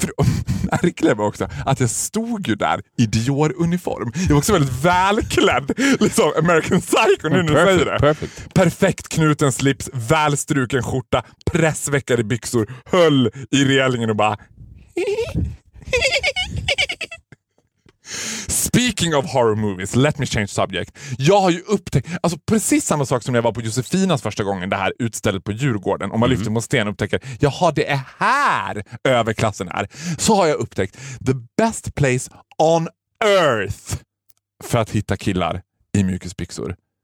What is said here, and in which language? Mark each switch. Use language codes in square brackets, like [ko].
[sv] För märkligt var också att jag stod ju där i Dior-uniform. Jag var också väldigt välklädd, liksom American Psycho nu när du säger det. Perfekt knuten slips, välstruken skjorta, pressveckade byxor, höll i relingen och bara... [en] Speaking of horror movies, let me change subject. [sv] Jag har ju upptäckt, alltså precis samma sak som när jag var på Josefinas första gången, det här utstället på Djurgården, om man lyfter mot sten och upptäcker, jaha, det är här överklassen är. Så har jag upptäckt, [en] the best place on earth [sv] för att hitta killar i mjukisbyxor.